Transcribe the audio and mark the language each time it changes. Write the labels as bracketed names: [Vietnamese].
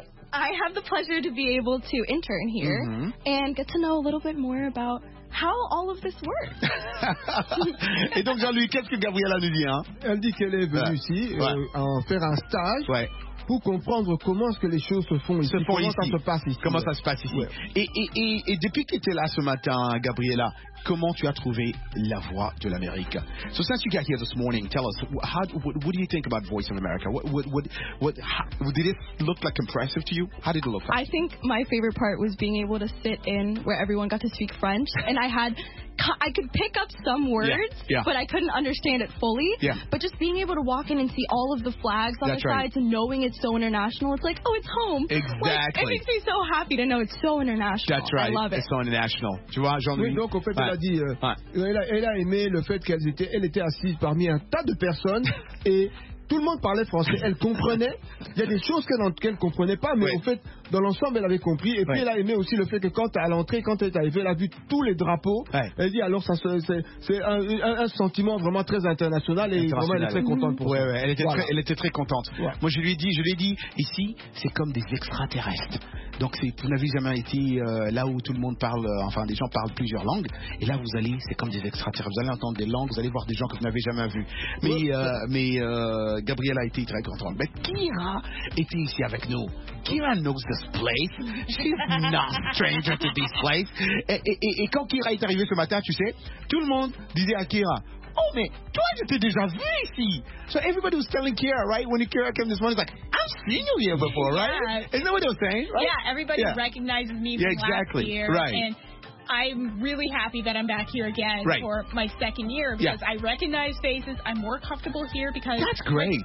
[English] I have the pleasure to be able to intern here and get to know a little bit more about how all of this works. [French] Et donc, Jean-Louis, qu'est-ce que Gabriella nous dit, Elle dit qu'elle est venue ici en faire un stage pour comprendre comment est-ce que les choses se font ici, comment ça se passe ici. Ouais. Et depuis que tu es là ce matin, Gabriella, comment tu as trouvé la voix de l'Amérique? [English] So since you got here this morning, tell us, what do you think about Voice of America? What did it look like impressive to you? How did it look like? I think my favorite part was being able to sit in where everyone got to speak French, and I could pick up some words, but I couldn't understand it fully. Yeah. But just being able to walk in and see all of the flags on sides and knowing it's so international, it's like, oh, it's home. Exactly. Like, it makes me so happy to know it's so international. That's right. I love it. It's so international. [French] Tu vois, Jean-Louis? Oui, donc en fait, elle a dit, elle a aimé le fait qu'elle était assise parmi un tas de personnes et tout le monde parlait français. Elle comprenait. Il y a des choses qu'elle comprenait pas, mais en fait, dans l'ensemble, elle avait compris. Et puis, elle a aimé aussi le fait que quand elle est arrivée, elle a vu tous les drapeaux. Ouais. Elle dit, alors, c'est un sentiment vraiment très international. Et vraiment, elle est très contente pour ça. Ouais, elle était très contente. Ouais. Moi, je lui ai dit, ici, c'est comme des extraterrestres. Donc, vous n'avez jamais été là où tout le monde parle, les gens parlent plusieurs langues. Et là, vous allez, c'est comme des extraterrestres. Vous allez entendre des langues, vous allez voir des gens que vous n'avez jamais vus. Gabriella a été très contente. But Kira était ici avec nous. [English] Kira knows this place. She's not stranger to this place. [French] Et quand Kira est arrivée ce matin, tu sais, tout le monde disait à Kira, oh, mais toi, je t'ai déjà vu ici. [English] So everybody was telling Kira, right? When Kira came this morning, it's like, I've seen you here before, yeah. Right? Isn't that what they were saying? Right? Yeah, everybody yeah. recognizes me from yeah, exactly. last year. Right. And I'm really happy that I'm back here again right. for my second year because yeah. I recognize faces. I'm more comfortable here because... That's great.